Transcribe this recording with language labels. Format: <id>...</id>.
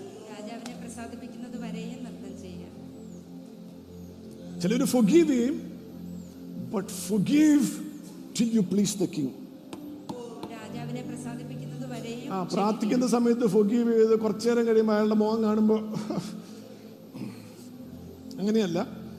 <ml>രാജാവിനെ പ്രസാദിപ്പിക്കുന്നത് വരെയും നൃത്തം ചെയ്യുക.</ml> <en>Tell him to forgive him, but forgive till you please the king.</en> <ml>രാജാവിനെ പ്രസാദിപ്പിക്കുന്നത് വരെയും പ്രാർത്ഥിക്കുന്ന സമയത്ത് ഫോർഗീവ് ചെയ്ത് കുറച്ചു നേരം കഴിയുമ്പോൾ അയാളുടെ മുഖം കാണുമ്പോ അങ്ങനെയല്ല.</ml>